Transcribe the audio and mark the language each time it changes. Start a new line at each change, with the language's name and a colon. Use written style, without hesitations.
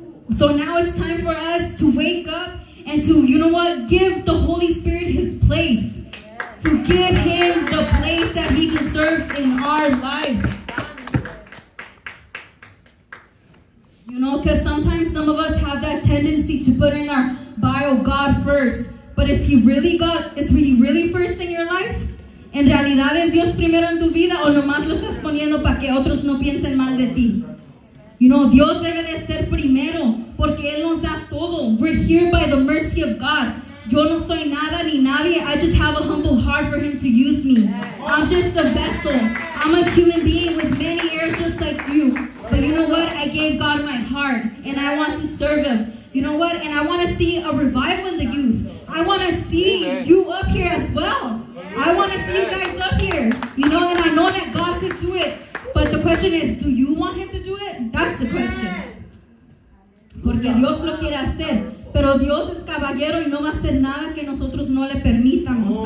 English: So now it's time for us to wake up and to, you know what, give the Holy Spirit his place. To give him the place that he deserves in our life. You know, because sometimes some of us have that tendency to put in our bio God first. But is he really God? Is he really first in your life?
Spanish: ¿En realidad es Dios primero en tu vida o nomás lo estás poniendo para que otros no piensen mal de ti?
English: You know,
Spanish: Dios debe de ser primero porque Él nos da todo.
English: We're here by the mercy of God.
Spanish: Yo no soy nada ni nadie.
English: I just have a humble heart for him to use me. I'm just a vessel. I'm a human being with many ears just like you. But you know what? I gave God my heart and I want to serve him. You know what? And I want to see a revival in the youth. I want to see you up here as well. I want to see you guys up here. You know, and I know that God could do it. But the question is, do you want him to do it? That's the question.
Spanish: Porque Dios lo quiere hacer. Pero Dios es caballero y no va a hacer nada que nosotros no le permitamos.